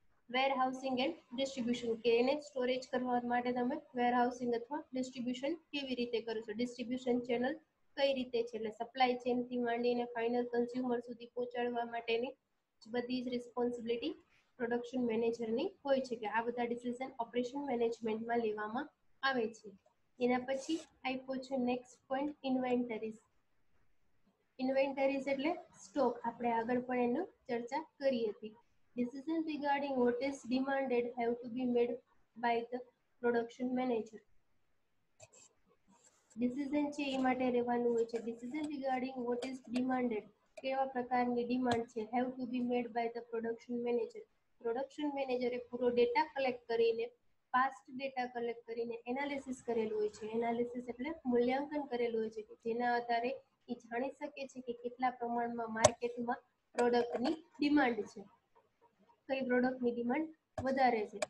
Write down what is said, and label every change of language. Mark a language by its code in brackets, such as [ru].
[gu] Wear housing and distribution, કે એને storage કરવા માટે તમે વેર હાઉસિંગ અથવા ડિસ્ટ્રીબ્યુશન કેવી રીતે કરો છો, ડિસ્ટ્રીબ્યુશન ચેનલ કઈ રીતે છે, એટલે સપ્લાય ચેનથી માંડીને ફાઇનલ કન્ઝ્યુમર સુધી પહોંચાડવા માટેની બધી જ રિસ્પોન્સિબિલિટી પ્રોડક્શન મેનેજરની હોય છે, કે આ બધા ડિસિઝન ઓપરેશન મેનેજમેન્ટમાં લેવામાં આવે છે. એના પછી આપ્યો છે નેક્સ્ટ પોઈન્ટ ઇન્વેન્ટરીઝ. ઇન્વેન્ટરીઝ એટલે સ્ટોક, આપણે આગળ પણ એનું ચર્ચા કરી હતી. [en] Decisions regarding what is demanded have to be made by the production manager. [gu] Decision છે એ માટે રહેવાનું હોય છે. [en] Decision regarding what is demanded, [gu] કેવા પ્રકારની ડિમાન્ડ છે, [en] have to be made by the production manager. [gu] Production manager એ પૂરો ડેટા કલેક્ટ કરીને, પાસ્ટ ડેટા કલેક્ટ કરીને એનાલિસિસ કરેલું હોય છે. એનાલિસિસ એટલે મૂલ્યાંકન કરેલું હોય છે, કે જેના આધારે એ જાણી શકે છે કે કેટલા પ્રમાણમાં માર્કેટમાં પ્રોડક્ટની ડિમાન્ડ છે, કઈ પ્રોડક્ટની ડિમાન્ડ વધારે છે.